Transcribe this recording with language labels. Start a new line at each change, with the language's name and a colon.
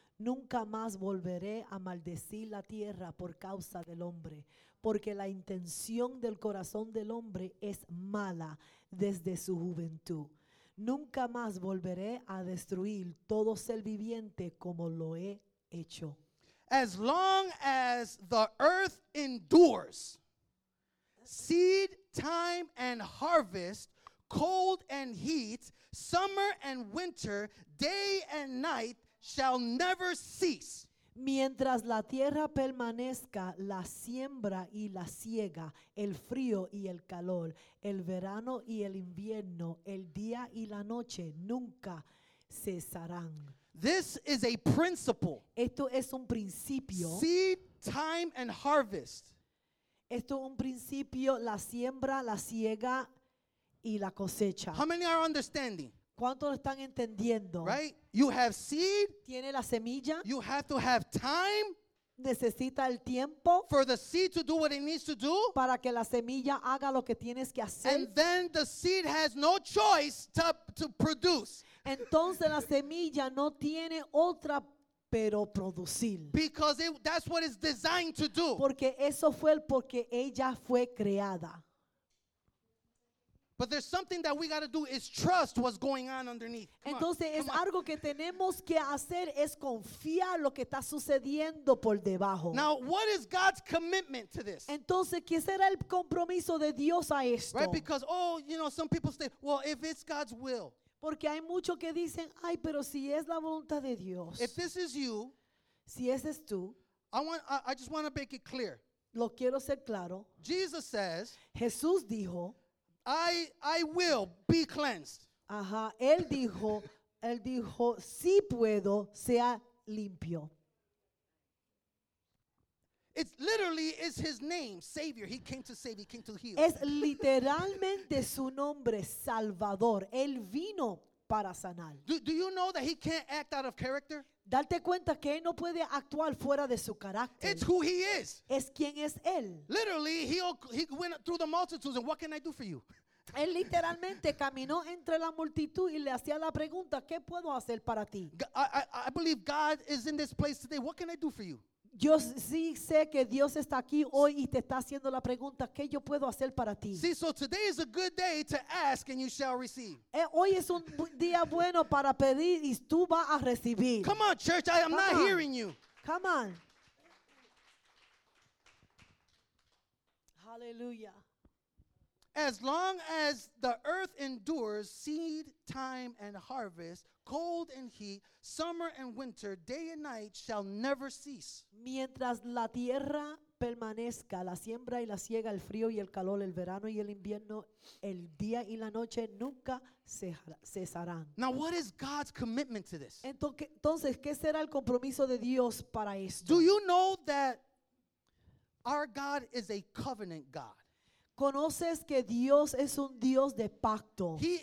Spanish: Nunca más volveré a maldecir la tierra por causa del hombre, porque la intención del corazón del hombre es mala desde su juventud. Nunca más volveré a destruir todo ser viviente como lo he hecho.
English: As long as the earth endures, seed, time, and harvest, cold and heat, summer and winter, day and night, shall never cease.
Spanish: Mientras la tierra permanezca, la siembra y la siega, el frío y el calor, el verano y el invierno, el día y la noche, nunca cesarán.
English: This is a principle.
Spanish: Esto es un principio.
English: Seed, time, and harvest.
Spanish: Esto es un principio, la siembra, la siega y la cosecha.
English: How many are understanding?
Spanish: ¿Cuántos están entendiendo?
English: Right? You have seed.
Spanish: Tiene la semilla.
English: You have to have time.
Spanish: Necesita el tiempo.
English: For the seed to do what it needs to do.
Spanish: Para que la semilla haga lo que tienes que hacer.
English: And then the seed has no choice to produce.
Spanish: Entonces la semilla no tiene otra pero producir.
English: Because that's what it's designed to do.
Spanish: Porque eso fue porque ella fue creada.
English: But there's something that we got to do is trust what's going on underneath. Come
Spanish: entonces
English: on,
Spanish: es algo que tenemos que hacer es confiar lo que está sucediendo por debajo.
English: Now, what is God's commitment to this?
Spanish: Entonces, ¿qué será el compromiso de Dios a esto?
English: Right, because some people say, well, if it's God's will.
Spanish: Porque hay muchos que dicen, ay, pero si es la voluntad de Dios.
English: If this is you,
Spanish: si ese es tú,
English: I just want to make it clear.
Spanish: Lo quiero ser claro.
English: Jesus says.
Spanish: Jesús dijo.
English: I will be cleansed. Ajá.
Spanish: Él dijo, sí puedo, sea limpio.
English: It's literally is his name, Savior. He came to save, he came to heal.
Spanish: Es literalmente su nombre, Salvador. Él vino para sanar.
English: Do you know that he can't act out of character?
Spanish: Date cuenta que él no puede actuar fuera de su carácter.
English: It's who he is.
Spanish: Es quien es él.
English: Literally, he went through the multitudes and what can I do for you?
Spanish: Él literalmente caminó entre la multitud y le hacía la pregunta, ¿qué puedo hacer para ti?
English: I believe God is in this place today. What can I do for you?
Spanish: Yo sí sé que Dios está aquí hoy y te está haciendo la pregunta, ¿qué yo puedo hacer para ti?
English: See, so today is a good day to ask and you shall receive.
Spanish: Hoy es un día bueno para pedir y tú vas a recibir.
English: Come on, church, I'm not hearing you. Come on. Hallelujah. As long as the earth endures, seed, time, and harvest, cold and heat, summer and winter, day and night shall never cease.
Spanish: Mientras la tierra permanezca, la siembra y la siega, el frío y el calor, el verano y el invierno, el día y la noche nunca cesarán.
English: Now, what is God's commitment to this?
Spanish: Entonces, ¿qué será el compromiso de Dios para esto?
English: Do you know that our God is a covenant God?
Spanish: Conoces que Dios es un Dios de pacto.